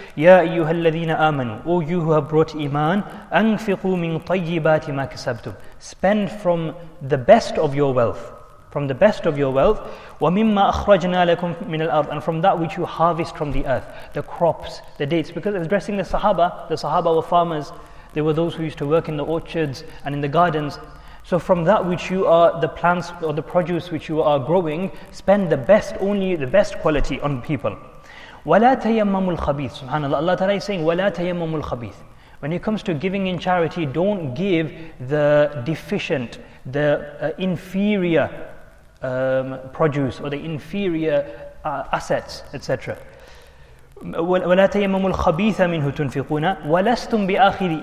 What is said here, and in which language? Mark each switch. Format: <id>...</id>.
<ar>Ya ayyuha alladhina amanu,</ar> <en>O you who have brought iman,</en> <ar>anfiqu min tayyibati ma kasabtum,</ar> <en>spend from the best of your wealth, from the best of your wealth,</en> <ar>wa mimma akhrajna lakum min al-ard,</ar> <en>and from that which you harvest from the earth, the crops, the dates. Because addressing the Sahaba were farmers, they were those who used to work in the orchards and in the gardens. So from that which you are, the plants or the produce which you are growing, spend the best, only the best quality on people.</en> <ar>وَلَا تَيَمَّمُ الْخَبِيثِ</ar> <en>SubhanAllah, Allah Ta'ala is saying,</en> <ar>وَلَا تَيَمَّمُ الْخَبِيثِ.</ar> <en>When it comes to giving in charity, don't give the deficient, the inferior produce or the inferior assets, etc.</en> <ar>وَلَا تَيَمَّمُ الْخَبِيثَ مِنْهُ تُنْفِقُونَ وَلَسْتُمْ بِآخِذِي.</ar>